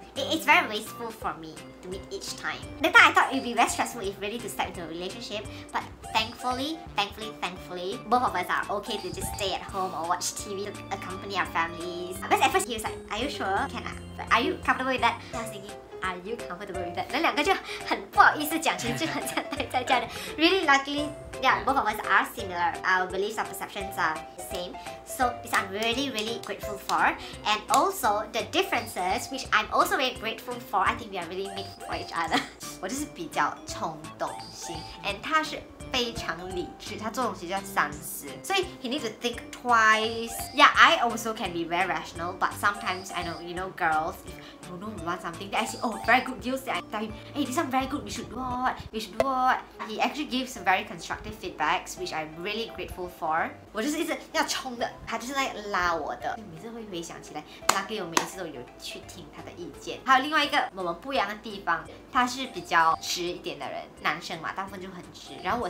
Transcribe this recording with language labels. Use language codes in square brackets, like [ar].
[en] It's very wasteful for me to meet each time. The time I thought it would be very stressful if really to step into a relationship, but thankfully, both of us are okay to just stay at home or watch TV, accompany our families. Because at first he was like, are you sure? Can I? But are you comfortable with that? I was thinking, are you comfortable with that? [zh] 那两个就很不好意思讲，其实就很像待在家的。 [en] Really luckily, yeah, both of us are similar. Our beliefs and perceptions are the same. So this I'm really, really grateful for. And also the differences, which I'm also very grateful for. I think we are really made for each other. [zh] 我就是比较冲动型，and 他是非常理智，他做东西就要三思，所以 [en] he needs to think twice. Yeah, I also can be very rational, but sometimes I know, you know, girls, if you know we want something, then I say, oh, very good deals, then I tell him, hey, this one very good, we should do what? He actually gives some very constructive feedbacks, which I'm really grateful for. [zh] 我就是一直要冲的，他就是在拉我的。每次会回想起来，他给我每一次都有去听他的意见。还有另外一个我们不一样的地方，他是比较直一点的人，男生嘛，大部分就很直，然后我。